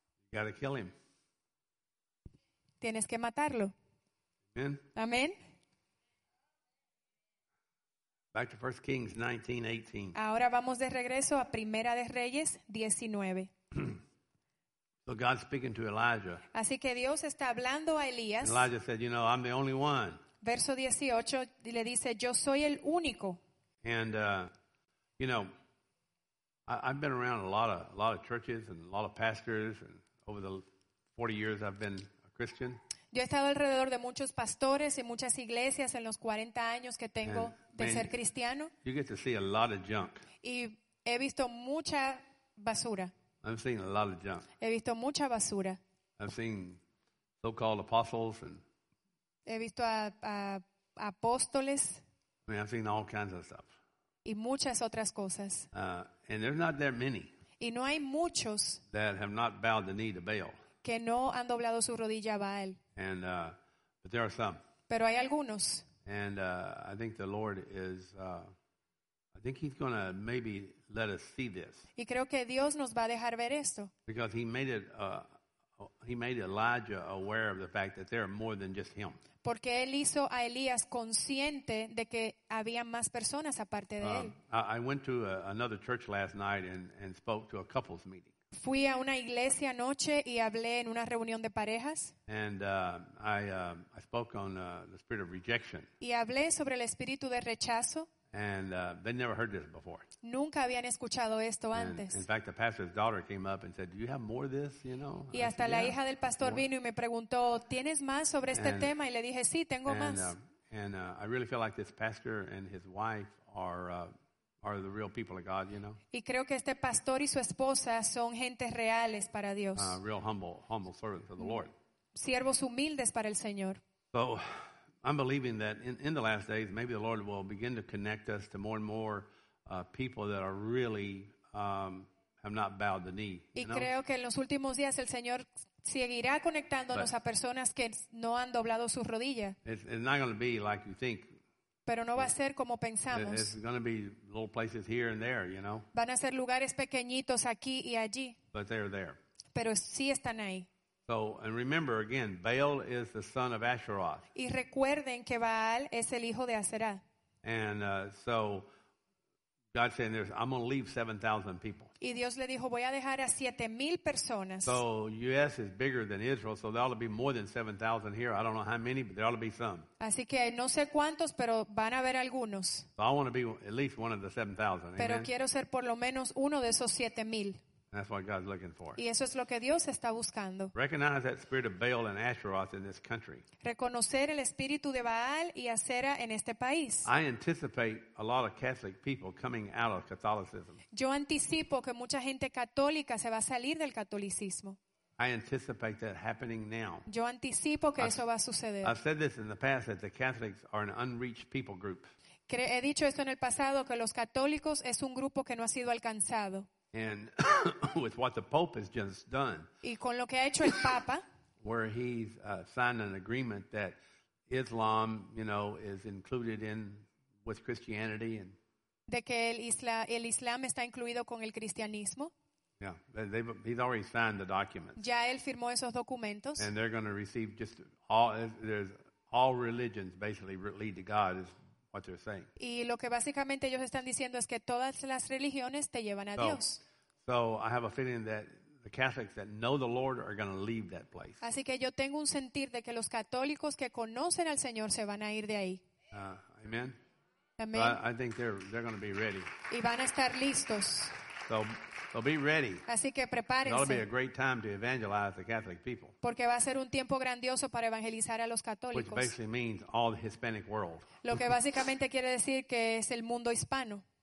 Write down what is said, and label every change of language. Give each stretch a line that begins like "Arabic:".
English: You gotta kill him.
Spanish: Tienes que matarlo.
English: Amen.
Spanish: Amen.
English: Back to 1 Kings 19:18.
Spanish: Ahora vamos de regreso a Primera de Reyes 19.
English: So God's speaking to Elijah.
Spanish: Así que Dios está hablando a Elías.
English: And Elijah said, you know, I'm the only one.
Spanish: Verso 18 le dice, yo soy el único.
English: And, you know, I've been around a lot of churches and a lot of pastors and over the 40 years I've been a Christian.
Spanish: Yo he estado alrededor de muchos pastores y muchas iglesias en los 40 años que tengo de ser cristiano.
English: You get to see a lot of junk.
Spanish: Y he visto mucha basura.
English: I've seen a lot of junk.
Spanish: He visto mucha basura.
English: I've seen so-called apostles and
Spanish: he visto a apóstoles.
English: I mean, I've seen all kinds of stuff.
Spanish: Y muchas otras cosas.
English: And there's not that many.
Spanish: Y no hay muchos
English: that have not bowed the knee to Baal.
Spanish: Que no han doblado su rodilla a Baal.
English: And but there are some.
Spanish: Pero hay algunos.
English: And I think the Lord is I think he's going to maybe let us see this.
Spanish: Y creo que Dios nos va a dejar ver esto.
English: Because he made Elijah aware of the fact that there are more than just him.
Spanish: Porque él hizo a Elías consciente de que había más personas aparte de él.
English: I went to another church last night and spoke to a couples meeting.
Spanish: Fui a una iglesia anoche y hablé en una reunión de parejas.
English: And I spoke on the spirit of rejection.
Spanish: Y hablé sobre el espíritu de rechazo.
English: And they never heard this before.
Spanish: Nunca habían escuchado esto antes.
English: In fact, the pastor's daughter came up and said, "Do you have more of this?" You know.
Spanish: Y hasta la hija del pastor vino y me preguntó, "¿Tienes más sobre este tema?" Y le dije, "Sí, tengo más."
English: And I really feel like this pastor and his wife are the real people of God, you know.
Spanish: Y creo que este pastor y su esposa son gentes reales para Dios.
English: Real humble servants of the Lord.
Spanish: Siervos humildes para el Señor.
English: So, I'm believing that in the last days, maybe the Lord will begin to connect us to more and more people that are really have not bowed the knee.
Spanish: Y creo que en los últimos días el Señor seguirá conectándonos a personas que no han doblado sus rodillas.
English: It's not going to be like you think.
Spanish: Pero no va a ser como pensamos.
English: It's going to be little places here and there, you know.
Spanish: Van a ser lugares pequeñitos aquí y allí.
English: But they're there.
Spanish: Pero sí están ahí.
English: So, and remember again, Baal is the son of Asheroth.
Spanish: Y recuerden que Baal es el hijo de Aserá.
English: And so God said, I'm going to leave 7,000 people.
Spanish: Y Dios le dijo, voy a dejar a 7,000 personas.
English: So U.S. is bigger than Israel, so there ought to be more than 7,000 here. I don't know how many, but there ought to be some.
Spanish: Así que no sé cuántos, pero van a haber algunos.
English: So I want to be at least one of the 7,000.
Spanish: Pero amen? Quiero ser por lo menos uno de esos 7,000.
English: That's what God's looking for.
Spanish: Y eso es lo que Dios está buscando.
English: Recognize that spirit of Baal and Asheroth in this country.
Spanish: Reconocer el espíritu de Baal y Asera en este país.
English: I anticipate a lot of Catholic people coming out of Catholicism.
Spanish: Yo anticipo que mucha gente católica se va a salir del catolicismo.
English: I anticipate that happening now.
Spanish: Yo anticipo que eso va a suceder.
English: I've said this in the past that the Catholics are an unreached people group.
Spanish: He dicho esto en el pasado que los católicos es un grupo que no ha sido alcanzado.
English: And with what the Pope has just done,
Spanish: y con lo que ha hecho el Papa,
English: where he's signed an agreement that Islam, you know, is included in with Christianity, and
Spanish: de que el Islam está incluido con el cristianismo.
English: Yeah, he's already signed the documents.
Spanish: Ya él firmó esos documentos.
English: And they're going to receive just all. There's all religions basically lead to God. What they're saying.
Spanish: Y lo que básicamente ellos están diciendo es que todas las religiones te llevan a Dios.
English: So I have a feeling that the Catholics that know the Lord are going to leave that place.
Spanish: Así que yo tengo un sentir de que los católicos que conocen al Señor se van a ir de ahí.
English: Amen.
Spanish: Amen.
English: So I think they're going to be ready.
Spanish: Y van a estar listos.
English: So be ready.
Spanish: Así que prepárense.
English: It'll be a great time to evangelize the Catholic people.
Spanish: Porque va a ser un tiempo grandioso para evangelizar a los católicos.
English: Which basically means all the Hispanic world.
Spanish: Lo que básicamente quiere decir que es el mundo hispano.